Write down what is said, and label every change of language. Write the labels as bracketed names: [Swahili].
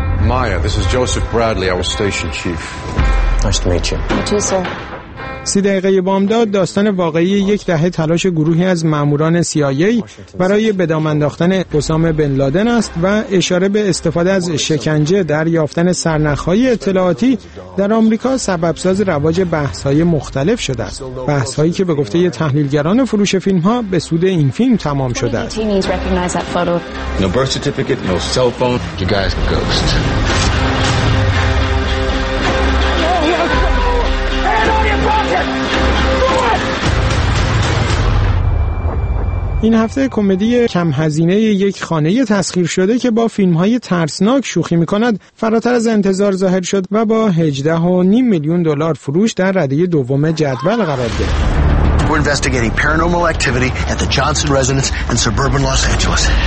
[English] Maya, this is Joseph Bradley, our station chief. Nice to meet you. You too, sir. [Persian] 30 دقیقه بامداد داستان واقعی یک دهه تلاش گروهی از ماموران CIA برای به دام انداختن اسامه بن لادن است و اشاره به استفاده از شکنجه در یافتن سرنخ‌های اطلاعاتی در آمریکا سبب ساز رواج بحث‌های مختلف شده است. بحث‌هایی که به گفته یه تحلیلگران فروش فیلم‌ها به سود این فیلم تمام شده است. [English] No birth certificate, no cell phone. You guys are ghosts. [Persian] این هفته کمدی کم هزینه یک خانه تسخیر شده که با فیلم‌های ترسناک شوخی می‌کند فراتر از انتظار ظاهر شد و با 18.5 میلیون دلار فروش در رده دوم جدول قرار گرفت. [English] We're investigating paranormal activity at the Johnson residence in suburban Los Angeles.